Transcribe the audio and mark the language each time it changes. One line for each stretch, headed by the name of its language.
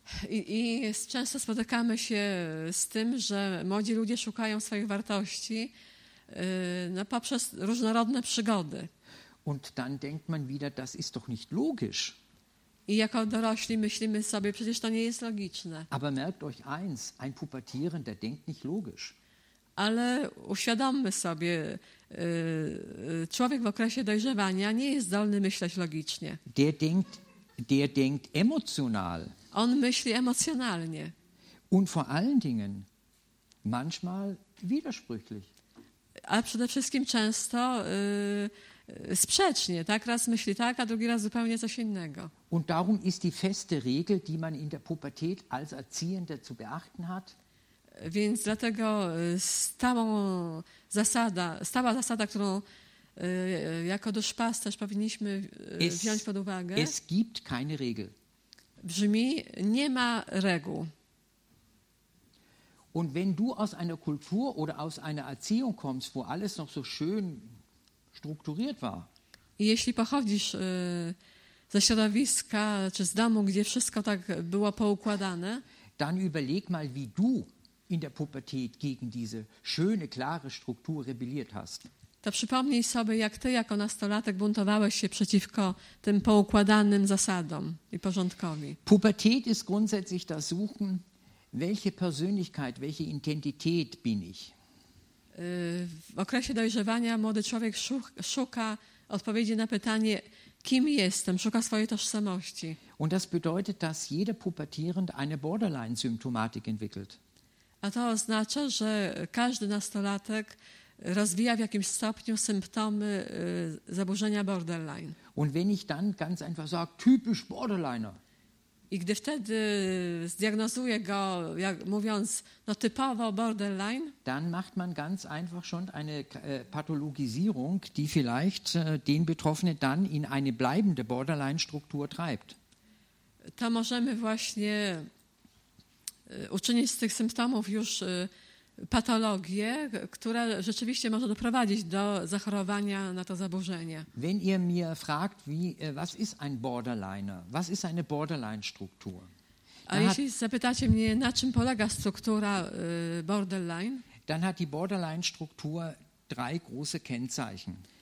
Polish: I często spotykamy się z tym, że młodzi ludzie szukają swoich wartości poprzez różnorodne przygody.
German: Und dann denkt man wieder, das ist doch nicht logisch.
Polish: I jako dorośli myślimy sobie, przecież to nie jest logiczne.
German: Aber merkt euch eins, ein Pubertierender denkt nicht logisch.
Polish: Ale uświadommy sobie, człowiek w okresie dojrzewania nie jest zdolny myśleć logicznie.
German: Der denkt emotional.
Polish: On myśli emocjonalnie.
German: Und vor allen Dingen manchmal widersprüchlich.
Polish: A przede wszystkim często sprzecznie, tak? Raz myśli tak, a drugi raz zupełnie coś innego.
German: Und darum ist die feste Regel, die man in der Pubertät als Erziehender zu beachten hat.
Polish: Więc dlatego stała zasada, którą jako duszpasterz powinniśmy wziąć pod uwagę.
German: Es gibt keine Regel.
Polish: Brzmi, nie ma reguł.
German: Und wenn du aus einer Kultur oder aus einer Erziehung kommst, wo alles noch so schön strukturiert war.
Polish: Jeśli pochodzisz ze środowiska czy z domu, gdzie wszystko tak było poukładane,
German: dann überleg mal, wie du in der Pubertät gegen diese schöne, klare Struktur rebelliert hast.
Polish: To przypomnij sobie, jak ty jako nastolatek buntowałeś się przeciwko tym poukładanym zasadom i porządkowi.
German: Pubertät ist grundsätzlich das Suchen, welche Persönlichkeit, welche Identität bin ich?
Polish: W okresie dojrzewania młody człowiek szuka odpowiedzi na pytanie, kim jestem, szuka swojej tożsamości.
German: Und das bedeutet, dass jeder pubertierende eine Borderline-Symptomatik entwickelt.
Polish: A to oznacza, że każdy nastolatek rozwija w jakimś stopniu symptomy zaburzenia borderline.
German: Und wenn ich dann ganz einfach sage, typisch Borderliner.
Polish: I gdy wtedy zdiagnozuję go, jak mówiąc, no typowo borderline,
German: dann macht man ganz einfach schon eine Pathologisierung, die vielleicht den Betroffenen dann in eine bleibende Borderline-Struktur treibt.
Polish: To możemy właśnie uczynić z tych symptomów już patologię, która rzeczywiście może doprowadzić do zachorowania na to zaburzenie.
German: Wenn ihr mir fragt, wie, was ist ein Borderliner? Was ist eine Borderline-Struktur?
Polish: A jeśli zapytacie mnie, na czym polega struktura borderline?
German: Dann hat die Borderline-Struktur drei große Kennzeichen.